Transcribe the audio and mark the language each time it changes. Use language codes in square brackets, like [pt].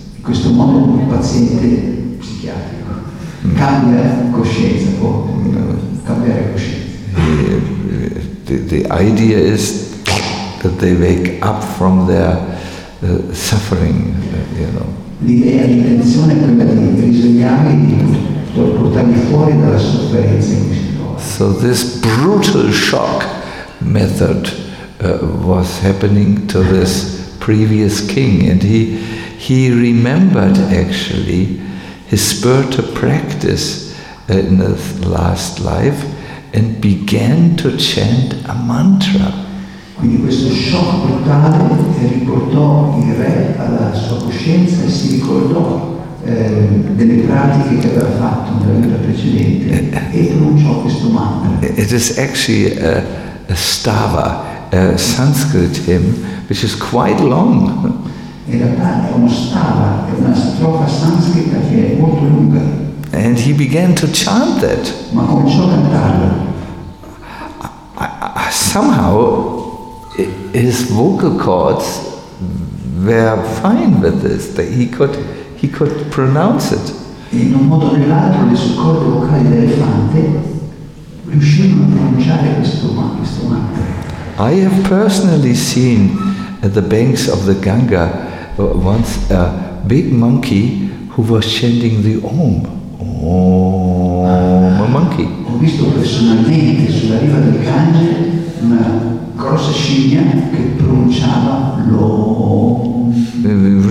[it] In questo modo il paziente psichiatrico cambia coscienza, può cambiare coscienza. [en] The idea is that they wake up from their suffering, you know. [it] L'idea, l'intenzione è quella di risvegliarli, di portarli fuori dalla sofferenza in cui si trova. [en] So this brutal shock method was happening to this previous king, and he remembered actually his spiritual practice in his last life and began to chant a mantra. [it] Quindi questo shock brutale riportò il re alla sua coscienza e si ricordò delle pratiche che aveva fatto nella vita precedente e pronunciò questo mantra. [en] It is actually a stava, a Sanskrit hymn, which is quite long. [it] In realtà è uno stava, è una strofa sanscrita che è molto lunga. [en] And he began to chant that. [it] Ma cominciò a cantarlo. [en] Somehow his vocal cords were fine with this, that he could pronounce it. [it] In un modo o nell'altro le sue corde vocali d'elefante riuscirono a pronunciare questo mantra. [en] I have personally seen at the banks of the Ganga once a big monkey who was chanting the Om. Om, a monkey. [it] Ho visto personalmente sulla riva del Gange una grossa scimmia che pronunciava l'Om.